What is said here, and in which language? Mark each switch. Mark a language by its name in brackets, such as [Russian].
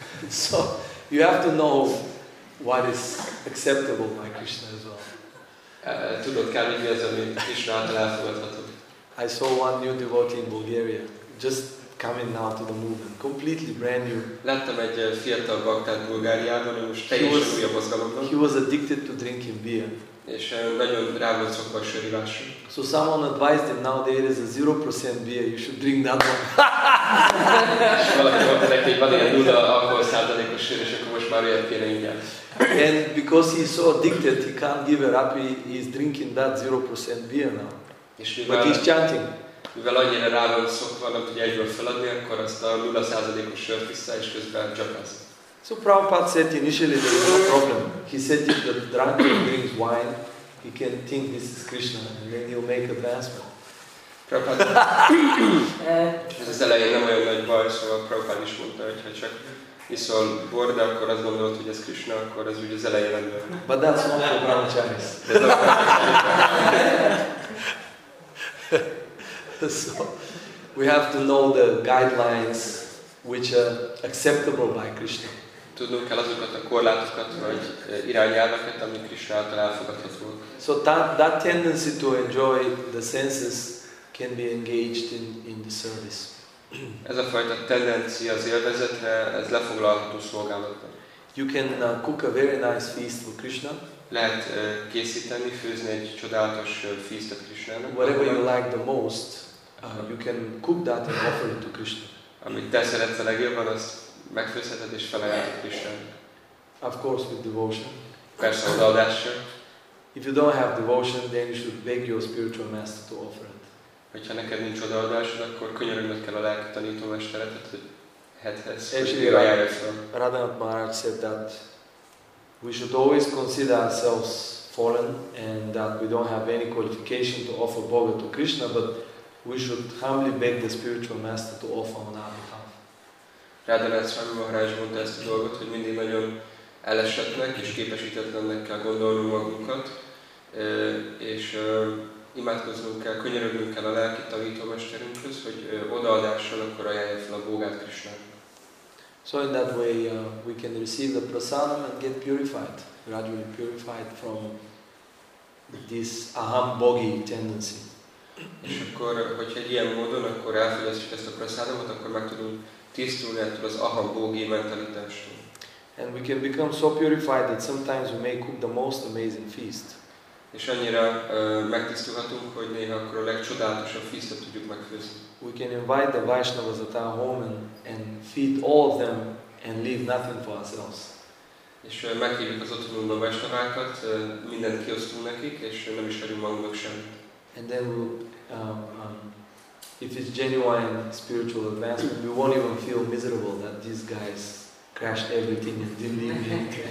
[English] So you have to know what is acceptable by Krishna as well. [Hungarian] Tudod, kell így az, ami Krishna által elfogadható. [English] I saw one new devotee in Bulgaria. Just coming now to the movement, completely brand new. [Hungarian] Láttam egy fiatal baktát Bulgáriában, ő most teljesen új a mozgalomban. [English] He was addicted to drinking beer. [Hungarian] És nagyon rá volt szokva a sörívásra. [English] So someone advised him, now there is a 0% beer, you should drink that one. [Hungarian] És valaki mondta neki, hogy van ilyen 0 alkohol százalékos sör, és akkor most már olyat kéne ingyen. [English] And because he's so addicted, he can't give it up, he's drinking that 0% beer now. But he's chanting. [Hungarian] Mivel annyira rá volt szokva, nem tudja egyből feladni, akkor azt a 0%-os sört vissza, és közben csapázza. [English] So Prabhupada said initially there is no problem. He said if the drunkard drinks wine, he can think this is Krishna, and then he'll make advancement. [Hungarian] Prabhupada, ez az elején nem olyan nagy baj, szóval Prabhupada is mondta, hogyha csak iszol bor, de akkor azt gondolod, hogy ez Krishna, akkor ez úgy az elején nem olyan. [English] But that's not for brahmacharis. So we have to know the guidelines which are acceptable by Krishna. [Hungarian] Tudnunk kell azokat a korlátokat vagy irányelveket, ami Krishna által elfogadható. [English] So that tendency to enjoy the senses can be engaged in the service. [Hungarian] Ez a fajta tendencia az élvezetre, ez lefoglalható szolgálatban. [English] You can cook a very nice feast for Krishna. [Hungarian] Lehet készíteni, főzni egy csodálatos feastet Krishnának. [English] Whatever you like the most, you can cook that and offer it to Krishna. [Hungarian] Amit te szeretsz a legjobban, azt megfőzheted és felajánlod Krishnának. [English] Of course with devotion. [Hungarian] Persze odaadással. [English] If you don't have devotion, then you should beg your spiritual master to offer it. [Hungarian] Hogyha neked nincs odaadásod, akkor könyörögnöd kell a lelki tanítómesteredet, hogy hethez, hogy ajánlja fel. [English] Radhanath Maharaj said that we should always consider ourselves fallen and that we don't have any qualification to offer bhoga to Krishna, but we should humbly beg the spiritual master to offer on our behalf. [Hungarian] Radhanath Swami Maharaj mondta ezt a dolgot, hogy mindig nagyon elesettnek és képesítetlennek kell gondolni magunkat, és imádkoznunk kell, könyörögnünk kell a lelki tanítómesterünkhöz, hogy odaadással akkor ajánlja fel a bhogát Krishnának. [English] So in that way we can receive the prasadam and get purified, gradually purified from this aham bogi tendency. [Hungarian] És akkor, hogyha egy ilyen módon, akkor elfogyasztjuk ezt a prasadamot, akkor meg tudunk tisztulni ettől az aham bogi mentalitásról. [English] And we can become so purified that sometimes we may cook the most amazing feast. [Hungarian] És annyira megtisztulhatunk, hogy néha akkor a legcsodálatosabb feastet tudjuk megfőzni. [English] We can invite the Vaishnavas at our home and feed all of them and leave nothing for ourselves. [Hungarian] És meghívjuk az otthonunkba a Vaishnavákat, mindent kiosztunk nekik, és nem is hagyunk magunknak semmit. [English] And then we'll, if it's genuine spiritual advancement, we won't even feel miserable that these guys crashed everything and didn't leave me.